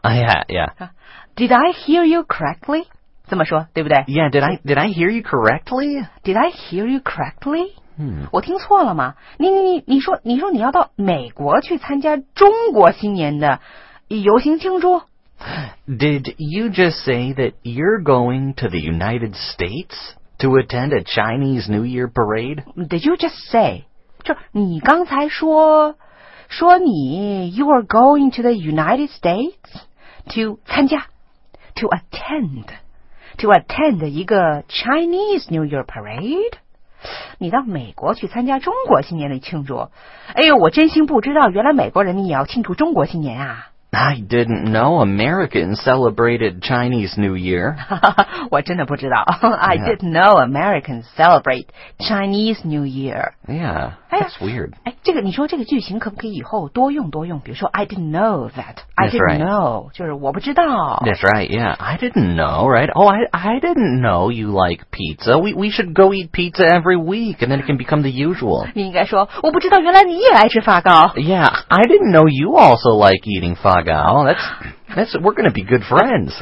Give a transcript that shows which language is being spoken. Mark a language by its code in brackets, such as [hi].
[en] 哎呀呀，Did I hear you correctly? [zh] 这么说对不对 [en] ？Yeah, did I hear you correctly? Did I hear you correctly?、 Hmm. [zh] 我听错了吗？你说你要到美国去参加中国新年的游行庆祝 [en] ？Did you just say that you're going to the United States to attend a Chinese New Year parade? Did you just say? [zh] 就你刚才说你 [en] you are going to the United States to [zh] 参加 [en] to attend. To attend [zh] 一个 [en] Chinese New Year Parade? [zh] 你到美国去参加中国新年的庆祝。哎呦，我真心不知道原来美国人你也要庆祝中国新年啊。 [en] I didn't know Americans celebrated Chinese New Year. [zh] 我真的不知道。 [en] I didn't know Americans celebrate Chinese New Year. Yeah, that's weird. [zh] 哎，这个你说这个句型可不可以以后多用多用？比如说 [en] I didn't know that. I didn't know. [zh] 就是我不知道。 [en] That's right, yeah. I didn't know, right? Oh, I didn't know you like pizza. We should go eat pizza every week and then it can become the usual. [zh] 你应该说我不知道原来你也爱吃发糕。 [en] Yeah, I didn't know you also like eating fa-That's we're going to be good friends.